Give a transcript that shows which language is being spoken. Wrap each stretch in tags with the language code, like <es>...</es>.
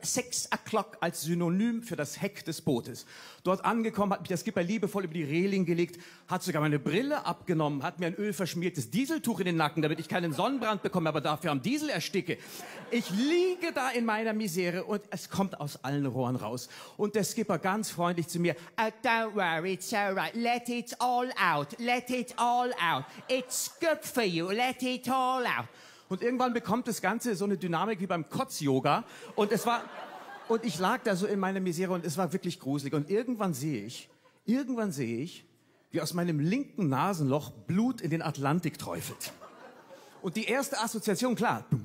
<de>6 o'clock als Synonym für das Heck des Bootes. Dort angekommen, hat mich der Skipper liebevoll über die Reling gelegt, hat sogar meine Brille abgenommen, hat mir ein ölverschmiertes Dieseltuch in den Nacken, damit ich keinen Sonnenbrand bekomme, aber dafür am Diesel ersticke. Ich liege da in meiner Misere und es kommt aus allen Rohren raus. Und der Skipper ganz freundlich zu mir,</de> <en>don't worry, it's all right, let it all out, let it all out. It's good for you, let it all out.</en> <de>Und irgendwann bekommt das Ganze so eine Dynamik wie beim Kotz-Yoga. Und ich lag da so in meiner Misere und es war wirklich gruselig. Und irgendwann sehe ich, wie aus meinem linken Nasenloch Blut in den Atlantik träufelt. Und die erste Assoziation, klar.</de>